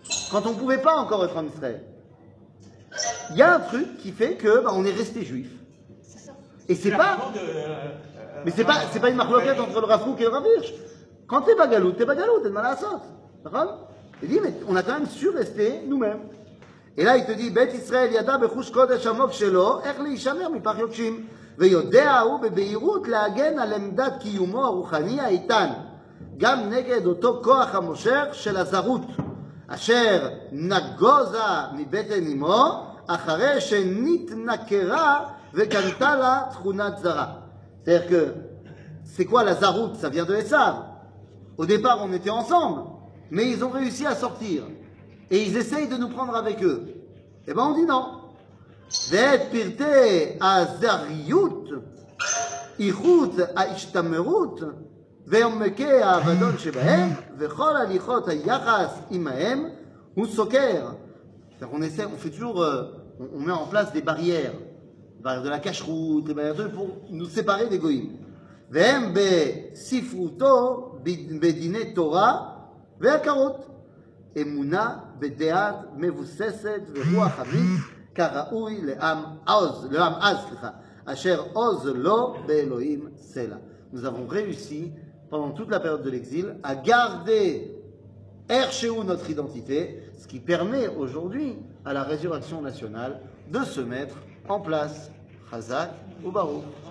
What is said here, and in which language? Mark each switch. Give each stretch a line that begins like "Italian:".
French: Quand on ne pouvait pas encore être en Israël. Il y a un truc qui fait que on est resté juif. C'est ça. Et c'est pas... Mais c'est pas une marloquette entre le Rav Kook et le Rav Hirsch. Quand tu n'es pas galoute, tu n'es pas galoute. Tu es de mal à la sorte. D'accord ? Il dit, mais on a quand même su rester nous-mêmes. Et là, il te dit,
Hebrew: « Bet Israël yada bechush kodesh amok shelo, ech li ishamer mi par yokshim. » ויודעו בבהירות להגן על עמדת קיומו הרוחני האיתן גם נגד אותו כוח המושך של הזרות אשר נגוזה מבטן אמו אחרי שנתנקרה וקנתה לה תכונת זרה.
French: C'est-à-dire que c'est quoi la zarut? Ça vient de Esav. Au départ on était ensemble, mais ils ont réussi à sortir et ils essayent de nous prendre avec eux. Et ben on dit non.
Hebrew: ואת פרטי הזריות, איכות ההשתמרות, ועומקי האבדון שבהם, וכל הליכות היחס עמהם, הוא סוקר.
French: On essaie, on fait toujours, on met en place des barrières, barrières de la cacheroute, des barrières pour nous séparer des goyim.
Hebrew: והם בספרותו, בדיני תורה, והכרות, אמונה בדעת מבוססת ורוח חמית, כראוי לעם עוז, לעם עז, סליחה, אשר עוז לא באלוהים סלע.
French: Nous avons réussi, pendant toute la période de l'exil, à garder
Hebrew: איכשהו
French: notre identité, ce qui permet aujourd'hui à la résurrection nationale de se mettre en place.
Hebrew: Chazak ou Baruch.